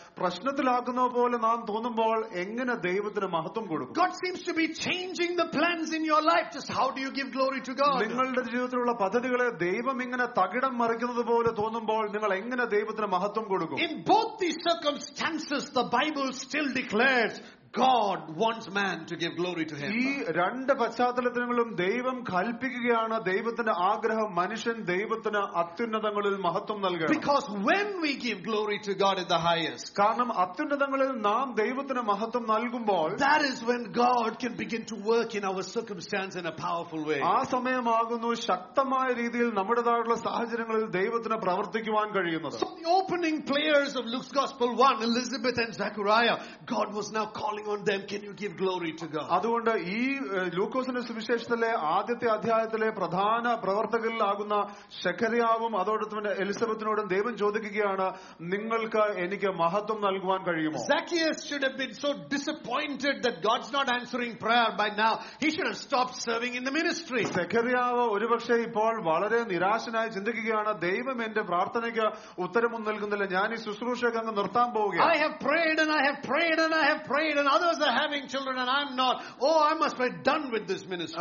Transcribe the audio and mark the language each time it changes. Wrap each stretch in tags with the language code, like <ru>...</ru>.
<en>God seems to be changing the plans in your life. Just how do you give glory to God?</en> <ml>നിങ്ങളുടെ ജീവിതത്തിലുള്ള പദ്ധതികളെ ദൈവം ഇങ്ങനെ തകിടം മറിക്കുന്നതുപോലെ തോന്നുമ്പോൾ നിങ്ങൾ എങ്ങനെ ദൈവത്തിന് മഹത്വം കൊടുക്കും?</ml> <en>In both these circumstances, the Bible still declares God wants man to give glory to him.</en> <ml>ഈ രണ്ട് പശ്ചാത്തലത്തിലും ദൈവം കൽപ്പിക്കുകയാണ് ദൈവത്തിന്റെ ആഗ്രഹം മനുഷ്യൻ ദൈവത്തിന് അത്യുന്നതങ്ങളിൽ മഹത്വം നൽകണം.</ml> <en>Because when we give glory to God in the highest,</en> <ml>കാരണം അത്യുന്നതങ്ങളിൽ നാം ദൈവത്തിന് മഹത്വം നൽകുമ്പോൾ,</ml> <en>that is when God can begin to work in our circumstance in a powerful way.</en> <ml>ആ സമയമാകുന്നു ശക്തമായ രീതിയിൽ നമ്മുടെ താഴെയുള്ള സാഹചര്യങ്ങളിൽ ദൈവത്തിന് പ്രവർത്തിക്കുവാൻ കഴിയുന്നത്.</ml> <en>So the opening players of Luke's Gospel 1, Elizabeth and Zechariah, God was now calling on them, can you give glory to God?</en> <ml>അതുകൊണ്ട് ഈ ലൂക്കോസിന്റെ സുവിശേഷത്തിലെ ആദ്യത്തെ അധ്യായത്തിലെ പ്രധാന പ്രവർത്തകരിലാകുന്ന സെഖരിയാവും അതോടൊപ്പം എലിസബത്തിനോടും ദൈവം ചോദിക്കുകയാണ്, നിങ്ങൾക്ക് എനിക്ക് മഹത്വം നൽകുവാൻ കഴിയുമോ?</ml> <en>Zacchaeus should have been so disappointed that God's not answering prayer by now. He should have stopped serving in the ministry.</en> <ml>സെഖരിയാവ് ഒരുപക്ഷെ ഇപ്പോൾ വളരെ നിരാശനായി ചിന്തിക്കുകയാണ്, ദൈവം എന്റെ പ്രാർത്ഥനയ്ക്ക് ഉത്തരമൊന്നും നൽകുന്നില്ല, ഞാൻ ഈ ശുശ്രൂഷയൊക്കെ അങ്ങ് നിർത്താൻ പോവുകയാണ്.</ml> <en>I have prayed and I have prayed and I have prayed and others are having children and I'm not. Oh, I must be done with this ministry.</en>